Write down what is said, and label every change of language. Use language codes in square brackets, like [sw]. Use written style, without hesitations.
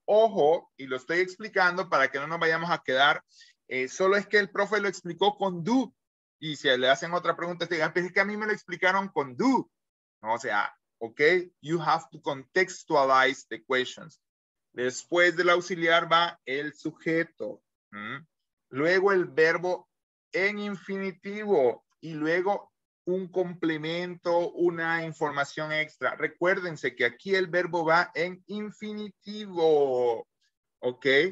[es] Ojo, y lo estoy explicando para que no nos vayamos a quedar. Solo es que el profe lo explicó con do. Y si le hacen otra pregunta, te digan, pero es que a mí me lo explicaron con do. O sea, [en] ok, you have to contextualize the questions. [es] Después del auxiliar va el sujeto. Luego el verbo en infinitivo y luego un complemento, una información extra. Recuérdense que aquí el verbo va en infinitivo, ¿ok?